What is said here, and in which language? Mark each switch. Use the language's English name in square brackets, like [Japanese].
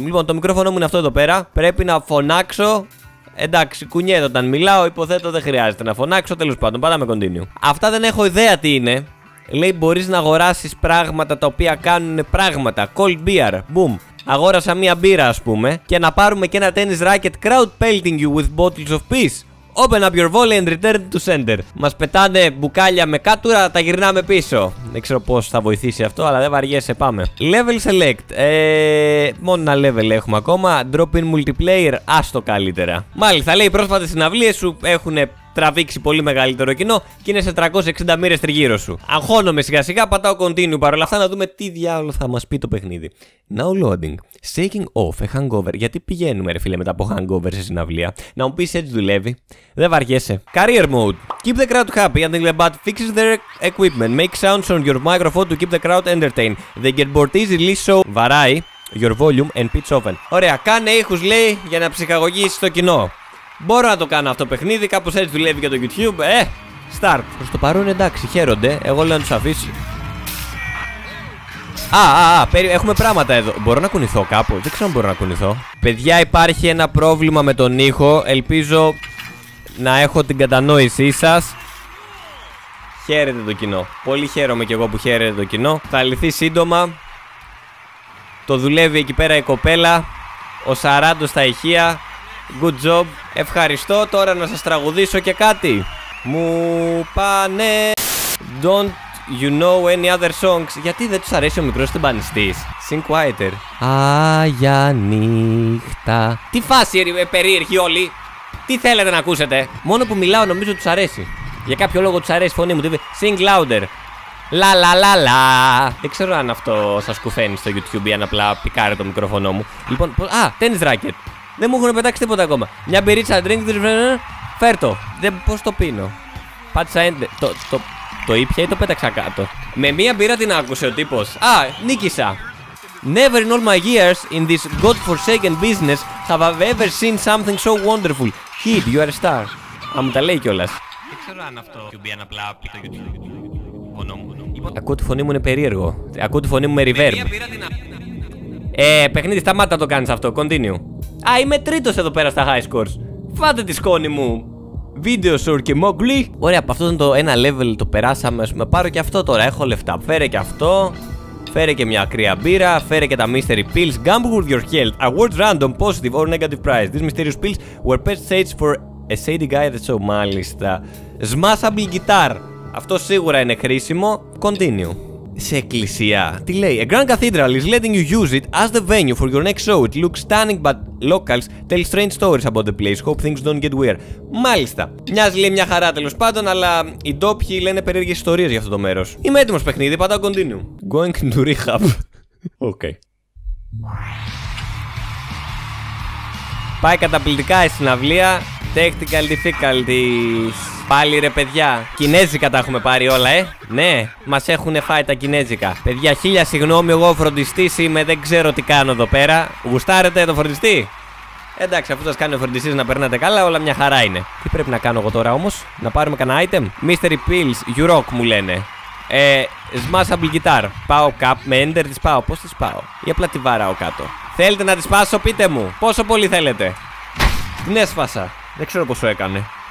[Greek] Λοιπόν, το μικρόφωνο μου είναι αυτό εδώ πέρα. Πρέπει να φωνάξω. Εντάξει, κουνιέται όταν μιλάω. Υποθέτω δεν χρειάζεται να φωνάξω. Τέλος πάντων, πατάμε continue. Αυτά δεν έχω ιδέα τι είναι. Λέει μπορείς να αγοράσεις πράγματα τα οποία κάνουν πράγματα. [English] Cold beer. [Greek] Boom. Αγόρασα μία μπύρα, ας πούμε. Και να πάρουμε και ένα [English] tennis racket crowd pelting you with bottles of peace. Open up your volley and return to center. [Greek] Μας πετάνε μπουκάλια με κάτουρα, τα γυρνάμε πίσω. Δεν ξέρω πώς θα βοηθήσει αυτό, αλλά δεν βαριέσαι, πάμε. Level select. Μόνο ένα level έχουμε ακόμα. [English] Drop in multiplayer, [Greek] άστο καλύτερα. Μάλιστα, λέει, πρόσφατες συναυλίες σου έχουνε τραβήξει πολύ μεγαλύτερο κοινό και είναι σε 360 μοίρες τριγύρω σου. Αγχώνομαι σιγά σιγά, πατάω continue. Παρ' όλα αυτά, να δούμε τι διάολο θα μας πει το παιχνίδι. [English] Now loading. Shaking off a hangover. [Greek] Γιατί πηγαίνουμε, ρε φίλε, μετά από hangover σε συναυλία. Να μου πεις έτσι δουλεύει. Δεν βαριέσαι. [English] Career mode. Keep the crowd happy until the band fixes their equipment. Make sounds on your microphone to keep the crowd entertained. They get bored easily, so. [Greek] Βαράει [English] your volume and pitch often. [Greek] Ωραία, κάνε ήχους, λέει, για να ψυχαγωγήσεις το κοινό. Μπορώ να το κάνω αυτό το παιχνίδι, κάπως έτσι δουλεύει και το YouTube. Start. Προς το παρόν εντάξει, χαίρονται. Εγώ λέω να τους αφήσω. Έχουμε πράγματα εδώ. Μπορώ να κουνηθώ κάπου, δεν ξέρω αν μπορώ να κουνηθώ. Παιδιά, υπάρχει ένα πρόβλημα με τον ήχο. Ελπίζω να έχω την κατανόησή σας. Χαίρετε το κοινό. Πολύ χαίρομαι κι εγώ που χαίρετε το κοινό. Θα λυθεί σύντομα. Το δουλεύει εκεί πέρα η κοπέλα. Ο Σαράντος στα ηχεία. [English] Good job. [Greek] Ευχαριστώ. Τώρα να σας τραγουδήσω και κάτι. Μου πάνε. [English] Don't you know any other songs? [Greek] Γιατί δεν τους αρέσει ο μικρός τυμπανιστής? [English] Sing quieter. [Greek] Άγια νύχτα. Τι φάση, περίεργοι όλοι. Τι θέλετε να ακούσετε? Μόνο που μιλάω νομίζω τους αρέσει. Για κάποιο λόγο τους αρέσει η φωνή μου. [English] Sing louder. [Greek] Λα λα λα λα. Δεν ξέρω αν αυτό σας κουφαίνει στο YouTube ή αν απλά πικάρε το μικρόφωνο μου. Λοιπόν, tennis racket. Δεν μου έχουν πετάξει τίποτα ακόμα. Μια μπυρίτσα, drink, φέρτο. Δεν, πώς το πίνω. Πάτησα enter. Το ήπια ή το πέταξα κάτω. Με μια μπύρα την άκουσε ο τύπος. Α, νίκησα. [English] Never in all my years in this godforsaken business have I ever seen something so wonderful. Kid, you are a star. [Greek] Α, μου τα λέει κιόλας. Δεν ξέρω αν αυτό κουμπί απλά από το YouTube. Ακούω τη φωνή μου είναι περίεργο. Ακούω τη φωνή μου με reverb. Παιχνίδι, σταμάτα το κάνεις αυτό. Continue. Α, είμαι τρίτος εδώ πέρα στα high scores. Φάτε τη σκόνη μου. Βίντεο σορ και μόγκλι. Ωραία, από αυτό ήταν το ένα level το περάσαμε. Ας πούμε, πάρω και αυτό τώρα. Έχω λεφτά. Φέρε και αυτό. Φέρε και μια ακραία μπύρα. Φέρε και τα mystery pills. [English] Gamble with your health. Awards random, positive or negative prize. These mysterious pills were best stage for a shady guy at the show. [Greek] Μάλιστα. [English] Smashable guitar. [Greek] Αυτό σίγουρα είναι χρήσιμο. Continue. Σε εκκλησία. Τι λέει? [English] A grand cathedral is letting you use it as the venue for your next show. It looks stunning but locals tell strange stories about the place. Hope things don't get weird. [Greek] Μάλιστα. Μοιάζει, λέει, μια χαρά τέλος πάντων, αλλά οι ντόπιοι λένε περίεργες ιστορίες για αυτό το μέρος. Είμαι έτοιμος, παιχνίδι. Πατάω continue. [English] Going to rehab. Okay. [Greek] Πάει καταπληκτικά η συναυλία. Technical difficulties. Πάλι ρε παιδιά, κινέζικα τα έχουμε πάρει όλα, Ναι, μας έχουνε φάει τα κινέζικα. Παιδιά, χίλια συγγνώμη, εγώ φροντιστής είμαι, δεν ξέρω τι κάνω εδώ πέρα. Γουστάρετε το φροντιστή? Εντάξει, αφού σας κάνει ο φροντιστής να περνάτε καλά, όλα μια χαρά είναι. Τι πρέπει να κάνω εγώ τώρα όμως, να πάρουμε κανένα item? [English] Mystery pills, you rock [Greek] μου λένε. [English] Smashable guitar. [Greek] Πάω cap, με enter τις πάω, πώς τις πάω? Ή απλά τη βαράω κάτω? Θέλετε να τις σπάσω, πείτε μου, πόσο πολύ θέλετε? Την έσπασα, δεν ξέρω πόσο έκανε.